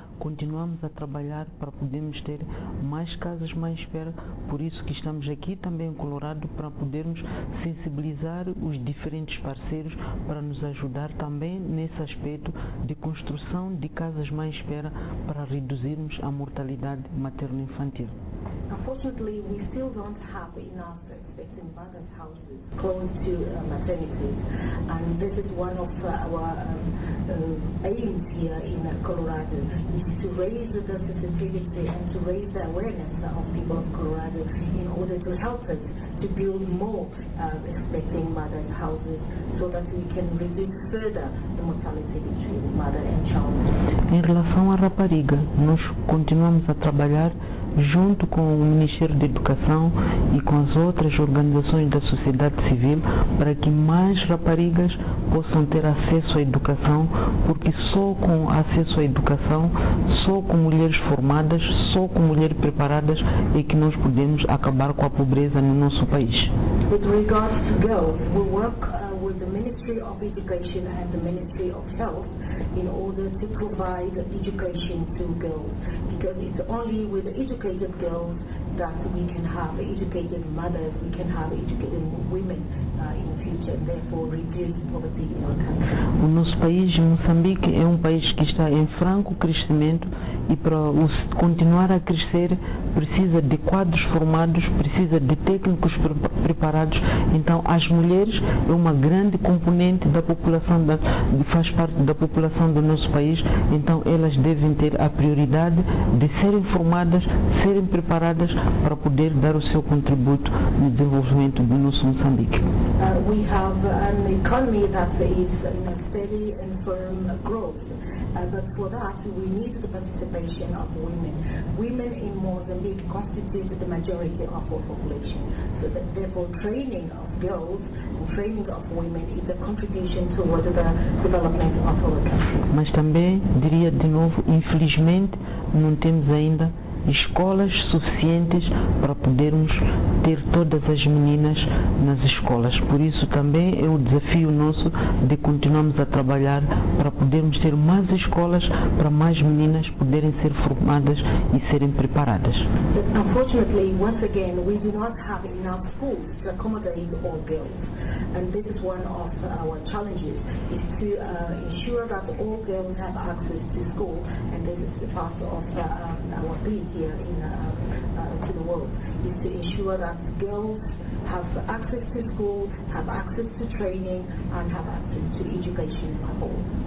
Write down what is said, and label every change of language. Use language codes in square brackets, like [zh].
[pt] Continuamos a trabalhar para podermos ter mais casas mãe-espera, por isso que estamos aqui também em Colorado, para podermos sensibilizar os diferentes parceiros para nos ajudar também nesse aspecto de construção de casas mãe-espera para reduzirmos a mortalidade materno-infantil. [en] Unfortunately, we still don't have enough expecting mothers' houses close to maternity, and this is one of our aims here in Colorado is to raise the sensitivity and to raise the awareness of people of Colorado in order to help us to build more expecting mother houses so that we can reduce further the mortality between mother and child. [pt] Em relação à rapariga, nós continuamos a trabalhar junto com o Ministério da Educação e com as outras organizações da sociedade civil para que mais raparigas possam ter acesso à educação, porque só com acesso à educação, só com mulheres formadas, só com mulheres preparadas é que nós podemos acabar com a pobreza no nosso país. [en] With regards to girls, we work with the Ministry of Education and the Ministry of Health in order to provide education to girls, because it's only with educated girls that we can have educated mothers, we can have educated women in the future, and therefore reduce poverty in our country. [pt] O nosso país, Moçambique, é país que está em franco crescimento. E para continuar a crescer, precisa de quadros formados, precisa de técnicos preparados. Então, as mulheres é uma grande componente da população, faz parte da população do nosso país. Então, elas devem ter a prioridade de serem formadas, serem preparadas para poder dar o seu contributo no desenvolvimento do nosso Moçambique. [en] We have an economy that is in a steady and firm growth. But for that, we need the participation of women. Women in Mozambique constitute the majority of our population. So that, therefore, training of girls, training of women is a contribution towards the development of our country. [pt] Mas também diria de novo, infelizmente, não temos ainda escolas suficientes para podermos ter todas as meninas nas escolas. Por isso também é o desafio nosso de continuarmos a trabalhar para podermos ter mais escolas para mais meninas poderem ser formadas e serem preparadas. [en] But unfortunately, once again, we do not have enough schools to accommodate all girls. And this is one of our challenges, is to ensure that all girls have access to school, and this is the part of our plea here in to the world, is to ensure that girls have access to school, have access to training, and have access to education as a whole.